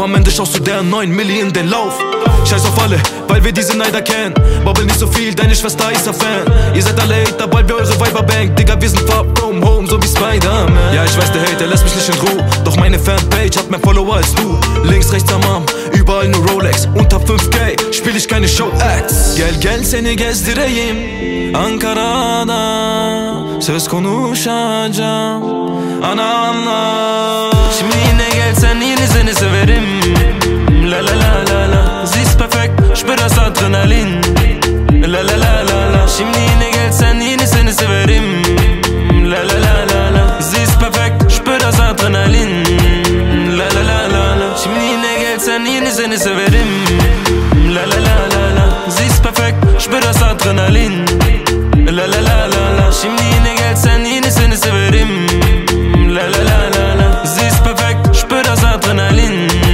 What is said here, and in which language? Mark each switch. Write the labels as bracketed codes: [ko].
[de] Am Ende schaust du der 9 Milli in den Lauf. Scheiß auf alle, weil wir diese Neider kennen. Bubble nicht so viel, deine Schwester ist ein Fan. Ihr seid alle Hater, weil wir eure Viber bank. Digga, wir sind far from home, so wie Spider-Man. Ja, ich weiß, der Hater lässt mich nicht in Ruhe. Doch meine Fanpage hat mehr Follower als du. Links, rechts am Arm, überall nur Rolex. Unter 5K spiel ich keine Show-Acts. [tr] Gel, gel, seni gezdireyim Ankara'da. Söz konuşacağım. Ana, ana. Şimdi yine gelsen yine seni severim. La, la, la, la, la. [de] Sie ist perfekt, spür das Adrenalin. La la la la la. [tr] Şimdi yine gelsen yine seni severim. La la la la la. [de] Sie ist perfekt, spür das Adrenalin. La la la la la. [tr] Şimdi yine gelsen yine seni severim. La la la la la. [de] Sie ist perfekt, spür das Adrenalin. La la la la la. [tr] Şimdi yine gelsen yine seni severim. La la la la la. [de] Sie ist perfekt, spür das Adrenalin.